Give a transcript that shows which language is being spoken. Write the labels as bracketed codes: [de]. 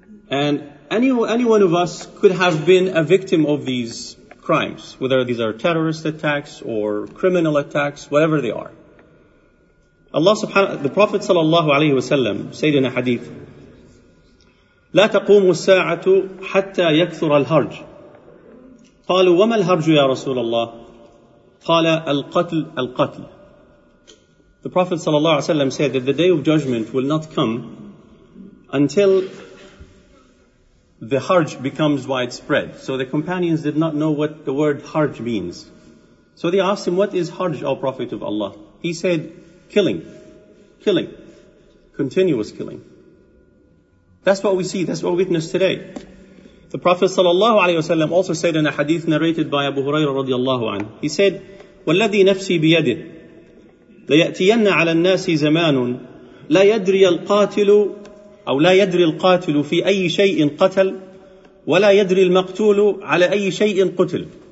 [en] And any one of us could have been a victim of these crimes, whether these are terrorist attacks or criminal attacks, whatever they are. Allah subhanahu, the Prophet sallallahu alaihi wasallam said in a hadith, [ar] لا تقوم الساعة حتى يكثر الهرج. قالوا وما الهرج يا رسول الله؟ قال القتل القتل. [en] The Prophet sallallahu alaihi wasallam said that the day of judgment will not come until the harj becomes widespread. So the companions did not know what the word harj means. So they asked him, what is harj, O Prophet of Allah? He said, killing. Killing. Continuous killing. That's what we see. That's what we witness today. The Prophet sallallahu alayhi wa sallam also said in a hadith narrated by Abu Hurairah radiallahu anhu, he said, [ar] وَالَّذِي نَفْسِي بِيَدِهِ لَيَأْتِيَنَّ عَلَى النَّاسِ زَمَانٌ لَا يَدْرِيَ الْقَاتِلُ أو لا يدري القاتل في أي شيء قتل ولا يدري المقتول على أي شيء قتل.